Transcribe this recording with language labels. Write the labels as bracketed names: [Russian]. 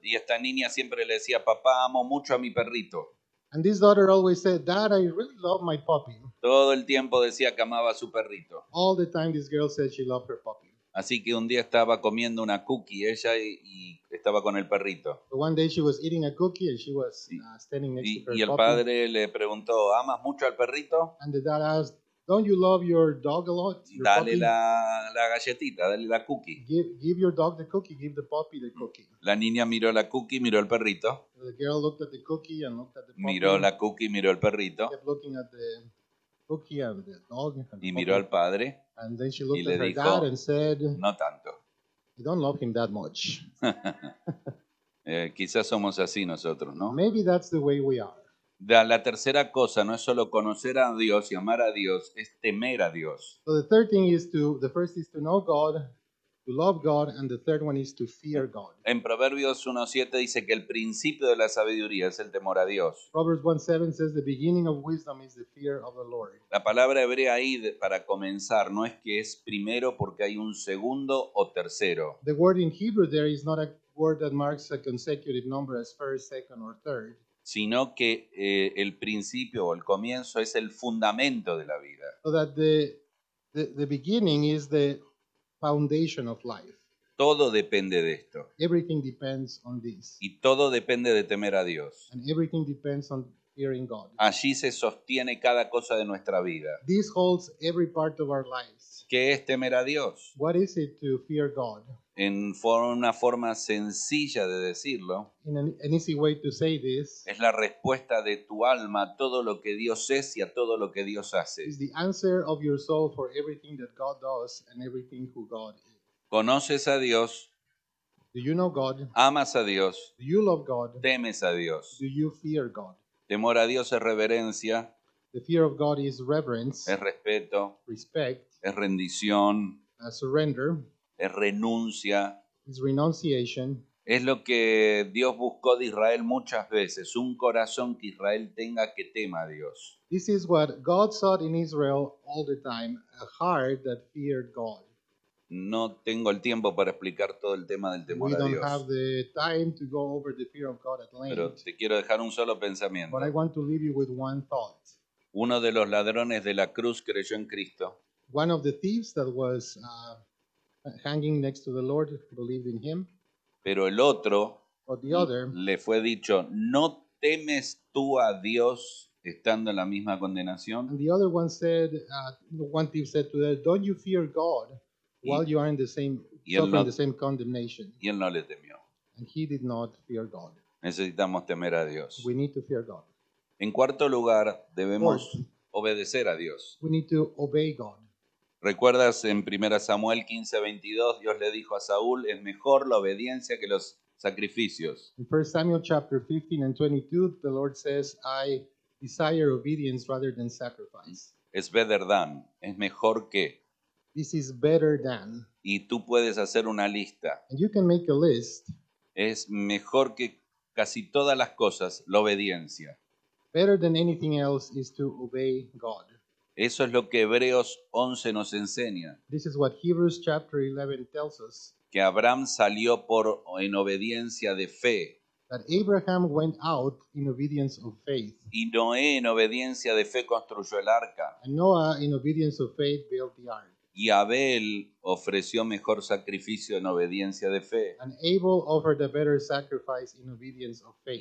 [Spanish] Y esta niña siempre le decía papá amo mucho a mi perrito. [English] And this daughter always said dad I really love my puppy. [Spanish] Todo el tiempo decía que amaba a su perrito. [English] All the time this girl said she loved her puppy. [Spanish] Así que un día estaba comiendo una cookie ella y estaba con el perrito. [English] One day she was eating a cookie and she was standing next to her puppy. [Spanish] Y el padre le preguntó, ¿amas mucho al perrito? [English] And the dad asked, don't you love your dog a lot? Your [Spanish] dale [English] puppy? [Spanish] La galletita, dale la cookie. [English] Give your dog the cookie, give the puppy the cookie. [Spanish] La niña miró la cookie, miró el perrito. [English] The girl looked at the cookie and looked at the puppy. [Spanish] Miró la cookie, miró el perrito. [English] Kept looking at the cookie and the dog and [Spanish] y miró [English] puppy. [Spanish] Al padre. [English] And then she looked [Spanish] y le [English] at her [Spanish] dijo, [English] dad and said, [Spanish] no tanto. [English] I don't love him that much. [Spanish] quizás somos así nosotros, ¿no? [English] Maybe that's the way we are. [Spanish] La tercera cosa no es solo conocer a Dios y amar a Dios, es temer a Dios. [English] So the third thing is to, the first is to know God, to love God, and the third one is to fear God. [Spanish] En Proverbios 1:7 dice que el principio de la sabiduría es el temor a Dios. [English] Proverbs 1:7 says the beginning of wisdom is the fear of the Lord. [Spanish] La palabra hebrea ahí para comenzar no es que es primero porque hay un segundo o tercero. [English] The word in Hebrew there is not a word that marks a consecutive number as first, second, or third. [Spanish] Sino que el principio o el comienzo es el fundamento de la vida. [English] So that the beginning is the foundation of life. [Spanish] Todo depende de esto. [English] Everything depends on this. [Spanish] Y todo depende de temer a Dios. [English] And everything depends on fearing God. [Spanish] Allí se sostiene cada cosa de nuestra vida. [English] This holds every part of our lives. [Spanish] ¿Qué es temer a Dios? [English] What is it to fear God? [Spanish] En una forma sencilla de decirlo, [English] in an easy way to say this, [Spanish] es la respuesta de tu alma a todo lo que Dios es y a todo lo que Dios hace. [English] Is the answer of your soul for everything that God does and everything who God is. [Spanish] ¿Conoces a Dios? [English] Do you know God? [Spanish] ¿Amas a Dios? [English] Do you love God? [Spanish] ¿Temes a Dios? [English] Do you fear God? [Spanish] Temor a Dios es reverencia. [English] The fear of God is reverence. [Spanish] Es respeto. [English] Respect. [Spanish] Es rendición. [English] A surrender. [Spanish] Es renuncia. [English] It's renunciation. [Spanish] Es lo que Dios buscó de Israel muchas veces, un corazón que Israel tenga que tema a Dios. [English] This is what God sought in Israel all the time, a heart that feared God. [Spanish] No tengo el tiempo para explicar todo el tema del temor a Dios. [English] We don't have the time to go over the fear of God at length. [Spanish] Pero te quiero dejar un solo pensamiento. [English] But I want to leave you with one thought. [Spanish] Uno de los ladrones de la cruz creyó en Cristo. [English] One of the thieves that was hanging next to the Lord believed in him. [Spanish] Pero el otro le fue dicho, ¿no temes tú a Dios estando en la misma condenación? [English] And the other one said, one thief said to them, don't you fear God while you are in the same, suffering the same condemnation? [Spanish] Y él no le temió. [English] And he did not fear God. [Spanish] Necesitamos temer a Dios. [English] We need to fear God. [Spanish] En cuarto lugar, debemos obedecer a Dios. [English] We need to obey God. [Spanish] ¿Recuerdas en 1 Samuel 15, 22, Dios le dijo a Saúl, es mejor la obediencia que los sacrificios? [English] In 1 Samuel chapter 15 and 22, the Lord says, I desire obedience rather than sacrifice. [Spanish] Es [English] better than, [Spanish] es mejor que. [English] This is better than. [Spanish] Y tú puedes hacer una lista. [English] And you can make a list. [Spanish] Es mejor que casi todas las cosas, la obediencia. [English] Better than anything else is to obey God. [Spanish] Eso es lo que Hebreos 11 nos enseña. [English] This is what Hebrews chapter 11 tells us. [Spanish] Que Abraham salió por en obediencia de fe. [English] That Abraham went out in obedience of faith. [Spanish] Y Noé en obediencia de fe construyó el arca. [English] And Noah in obedience of faith built the ark. [Spanish] Y Abel ofreció mejor sacrificio en obediencia de fe. [English] And Abel offered a better sacrifice in obedience of faith.